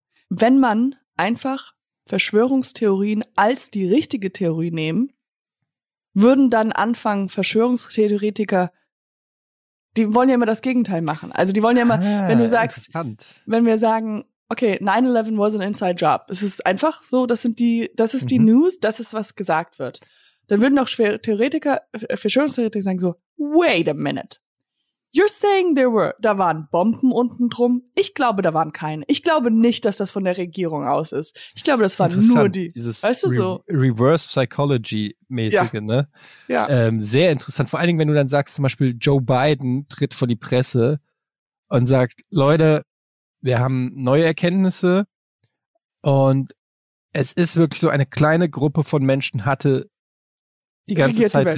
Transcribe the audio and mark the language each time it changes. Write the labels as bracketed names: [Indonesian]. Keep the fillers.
[German] wenn man einfach Verschwörungstheorien als die richtige Theorie nehmen, würden dann anfangen, Verschwörungstheoretiker, die wollen ja immer das Gegenteil machen. Also die wollen ja immer, ah, wenn du sagst, wenn wir sagen, okay, [English] 9-11 was an inside job. [German] Es ist einfach so, das sind die, das ist mhm. die News, das ist, was gesagt wird. Dann würden auch Theoretiker, Verschwörungstheoretiker sagen so, [English] wait a minute. You're saying there were, [German] da waren Bomben unten drum. Ich glaube, da waren keine. Ich glaube nicht, dass das von der Regierung aus ist. Ich glaube, das waren nur die. Dieses weißt du Re so? Reverse Psychology-mäßige, ja. ne? Ja. Ähm, sehr interessant. Vor allen Dingen, wenn du dann sagst, zum Beispiel, Joe Biden tritt vor die Presse und sagt, Leute, wir haben neue Erkenntnisse und es ist wirklich so, eine kleine Gruppe von Menschen hatte die, die ganze Zeit Welt.